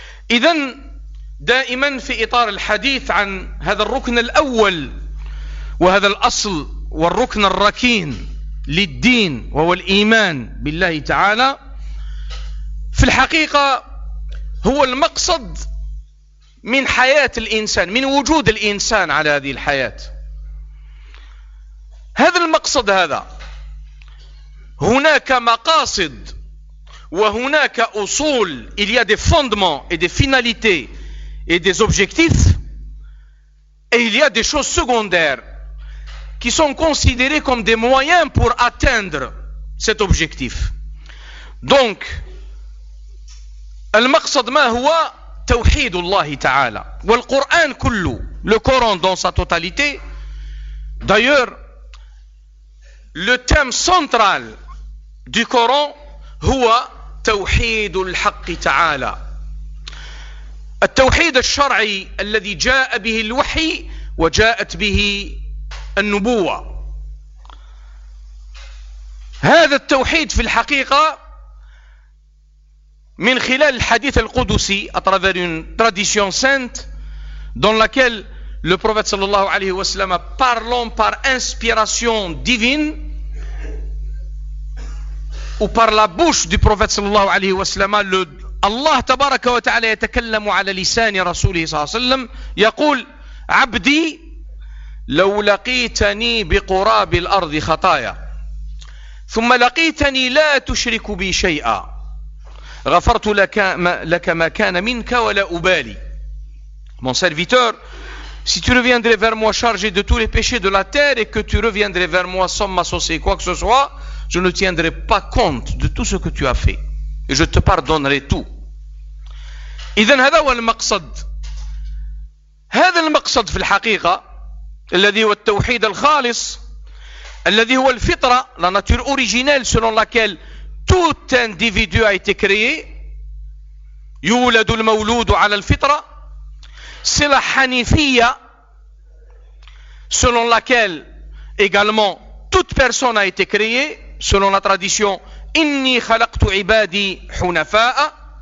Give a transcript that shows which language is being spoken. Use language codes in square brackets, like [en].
[ar] إذن دائما في إطار الحديث عن هذا الركن الأول وهذا الأصل والركن الركين للدين وهو الإيمان بالله تعالى، في الحقيقة هو المقصد من حياة الإنسان، من وجود الإنسان على هذه الحياة. هذا المقصد، هذا هناك مقاصد وهناك أصول، [fr] il y a des fondements et des finalités et des objectifs et il y a des choses secondaires qui sont considérés comme des moyens pour atteindre cet objectif. [ar] Donc, المقصد ما هو توحيد الله تعالى والقرآن كله، [fr] le Coran dans sa totalité. D'ailleurs, le thème central du Coran [ar] هو توحيد الحق تعالى. التوحيد الشرعي الذي جاء به الوحي وجاءت به النبوة. هذا التوحيد في الحقيقة من خلال الحديث القدسي [fr] à travers une tradition sainte dans laquelle le prophète [ar] صلى الله عليه وسلم [fr] parlant par inspiration divine ou par la bouche du prophète [ar] صلى الله عليه وسلم الله تبارك وتعالى يتكلم على لسان رسوله صلى الله عليه وسلم يقول عبدي لو لقيتني بقراب الأرض خطايا ثم لقيتني لا تشرك بي شيئا غفرت لك ما كان منك ولا أبالي. [fr] Mon serviteur, si tu reviendrais vers moi chargé de tous les péchés de la terre et que tu reviendrais vers moi sans m'associer quoi que ce soit, je ne tiendrai pas compte de tout ce que tu as fait et je te pardonnerai tout. [ar] إذن هذا هو المقصد. هذا المقصد في الحقيقة الذي هو التوحيد الخالص الذي هو الفطرة [fr] la nature originelle selon laquelle tout individu a été créé [ar] يولد المولود على الفطرة [fr] c'est la hanifiya selon laquelle également toute personne a été créée selon la tradition [ar] inni khalaqtu ibadi hunafa'a